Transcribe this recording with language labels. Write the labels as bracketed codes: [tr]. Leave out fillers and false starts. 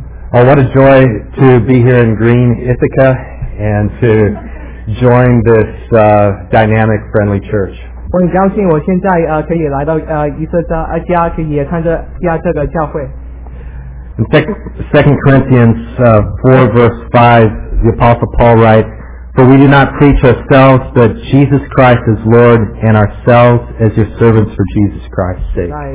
[en] Oh, what a joy to be here in Green Ithaca and to join this dynamic, friendly church. [zh] 我很高兴我现在可以来到以色列家，可以参加这个教会。 [en] Second Corinthians 4 verse 5, the Apostle Paul writes, For we do not preach ourselves, but Jesus Christ as Lord, and ourselves as your servants for Jesus Christ's sake.